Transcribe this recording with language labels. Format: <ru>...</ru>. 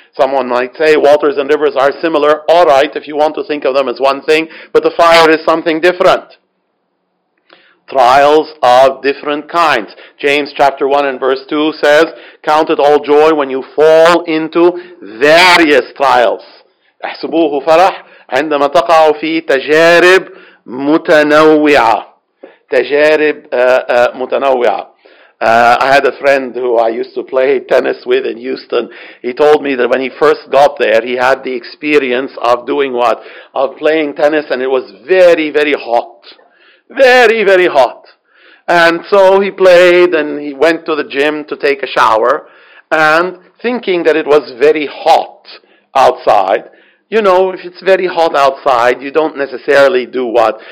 <en>Someone might say waters and rivers are similar. All right, if you want to think of them as one thing, but the fire is something different. trials of different kinds. James chapter 1 and verse 2 says, count it all joy when you fall into various trials.</en> <ar>احسبوه فرح عندما تقع في تجارب متنوعة. تجارب متنوعة.</ar> <en>I had a friend who I used to play tennis with in Houston. He told me that when he first got there, he had the experience of doing what? Of playing tennis, and it was very, very hot. Very, very hot. And so he played, and he went to the gym to take a shower, and thinking that it was very hot outside, you know, if it's very hot outside, you don't necessarily do what?</en>